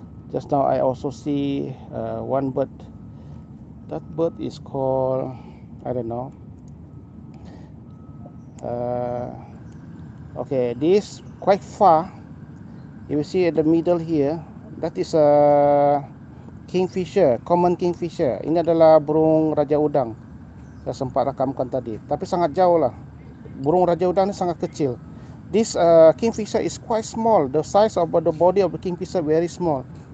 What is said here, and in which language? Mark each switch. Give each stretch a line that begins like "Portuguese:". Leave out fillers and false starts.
English: Just now I also see one bird. That bird is called, I don't know. Okay, this quite far. You will see at the middle here, that is a kingfisher, common kingfisher.
Malay: Ini adalah burung raja udang. Saya sempat rakamkan tadi, tapi sangat jauh lah. Burung raja udang ini sangat kecil.
English: This kingfisher is quite small. The size of the body of the kingfisher very small.